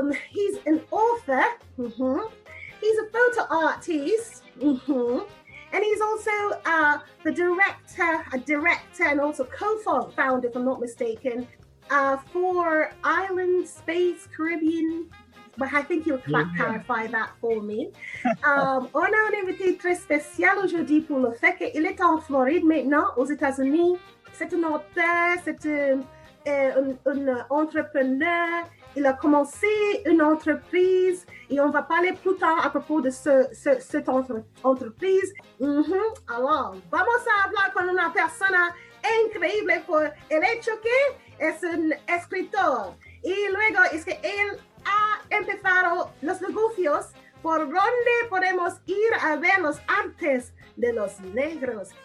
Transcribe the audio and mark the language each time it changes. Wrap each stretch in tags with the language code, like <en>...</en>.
<en>He's an author, he's a photo artist, and he's also a director and also co-founder, if I'm not mistaken, for Island Space Caribbean. But I think you'll clarify that for me.</en> <fr>On a un invité très spécial aujourd'hui pour le fait qu'il est en Floride maintenant, aux États-Unis. C'est un auteur, c'est un entrepreneur. Il a commencé une entreprise et on va parler plus tard à propos de cette entreprise. Alors,</fr> <es>vamos a hablar con una persona increíble por el hecho que es un escritor. Y luego es que él ha empezado los negocios por donde podemos ir a ver los artes de los negros.</es>